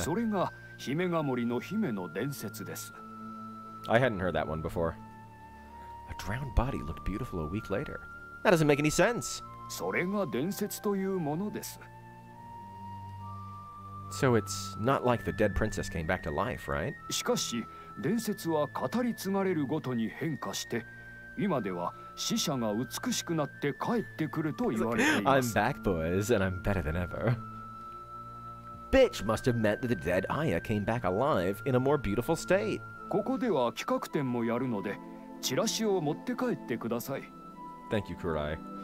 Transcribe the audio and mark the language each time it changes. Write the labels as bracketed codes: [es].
[ja] それが姫ヶ森の姫の伝説です。 [en] I hadn't heard that one before. A drowned body looked beautiful a week later. That doesn't make any sense. [ja] それが伝説というものです。 [en] So it's not like the dead princess came back to life, right? [ja] しかし、伝説は語り継がれるごとに変化して、今では死者が美しくなって帰ってくると言われています。 [en] I'm back, boys, and I'm better than ever. bitch must have meant that the dead Aya came back alive in a more beautiful state. Thank you, Kurai.